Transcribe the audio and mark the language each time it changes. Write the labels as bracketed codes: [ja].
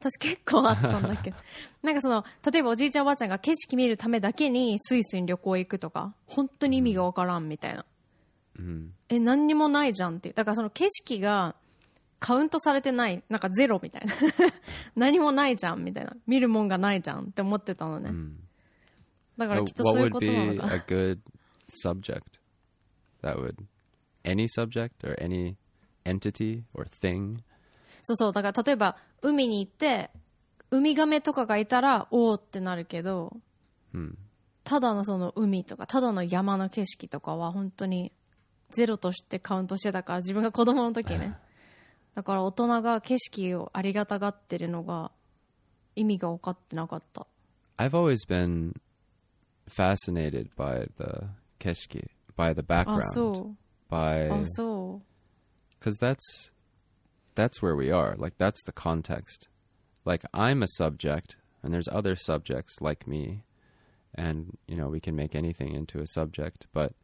[ja] 私結構あったんだけどなんかその、例えばおじいちゃんおばあちゃんが景色見るためだけにスイスに旅行行くとか、本当に意味がわからんみたいな、うん、え何にもないじゃんって。だからその景色がカウントされてない、なんかゼロみたいな何もないじゃんみたいな、見るもんがないじゃんって思ってたのね、 mm. だからきっとそういうことなのか。 [en] What would be a good subject that would any subject or any entity or thing? [ja] そうそう、だから例えば海に行ってウミガメとかがいたらおーってなるけど、 mm. ただのその海とかただの山の景色とかは本当にゼロとしてカウントしてたから、自分が子供の時ね。だから大人が景色をありがたがってるのが意味が分かってなかった。 [en] I've always been fascinated by the 景色、by the background、 [ja] あ、そう。 [en] By、 [ja] あ、そう。 [en] Because that's where we are. Like that's the context. Like I'm a subject, and there's other subjects like me, and you know we can make anything into a subject, but、